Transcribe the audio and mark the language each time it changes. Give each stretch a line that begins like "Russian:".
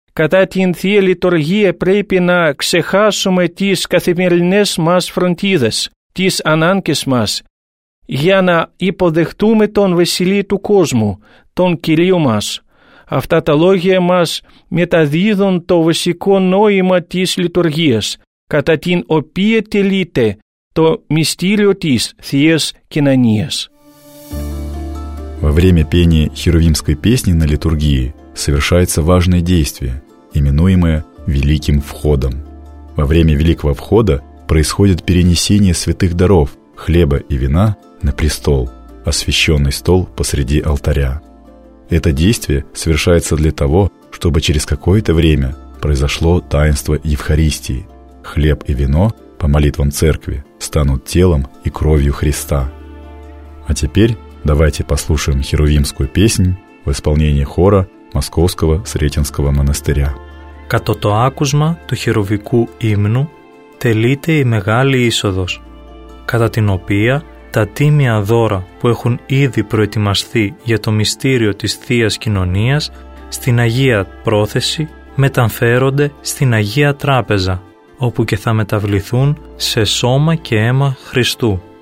Greek: Κατά την Θεία Λειτουργία πρέπει να ξεχάσουμε τις καθημερινές μας φροντίδες, τις ανάγκες μας, για να υποδεχτούμε τον Βασιλείο του κόσμου, τον Κυρίο μας. Αυτά τα λόγια μας μεταδίδουν το βασικό νόημα της λειτουργίας, κατά την οποία τελείται το μυστήριο της Θείας Κοινωνίας.
Russian: Во время пения херувимской песни на литургии совершается важное действие, именуемое Великим Входом. Во время Великого Входа происходит перенесение святых даров, хлеба и вина на престол, освященный стол посреди алтаря. Это действие совершается для того, чтобы через какое-то время произошло таинство Евхаристии. Хлеб и вино, по молитвам Церкви, станут телом и кровью Христа. А теперь давайте послушаем херувимскую песнь в исполнении хора Московского Сретенского монастыря.
Greek: Като то άκουσμα του херувικού ύμνου τελείται η μεγάλη είσοδος, κατά την οποία τα τίμια δώρα που έχουν ήδη προετοιμαστεί για το μυστήριο της Θείας Κοινωνίας στην Αγία Πρόθεση μεταφέρονται στην Αγία Τράπεζα, όπου και θα μεταβληθούν σε σώμα και αίμα Χριστού.